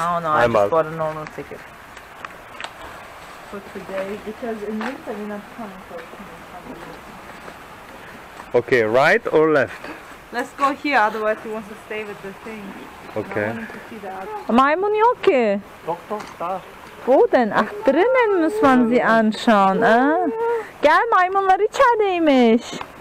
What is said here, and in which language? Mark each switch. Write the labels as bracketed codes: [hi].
[en] I just bought a normal ticket for today because in winter you're not coming for it. Okay, right or left? Let's go here, otherwise he wants to stay with the thing. Okay. I want him to see that. Okay. [de] Doktor, da. Wo denn? Ach, drinnen muss man sie anschauen. [tr] Gell, Maimunlar içerideymiş.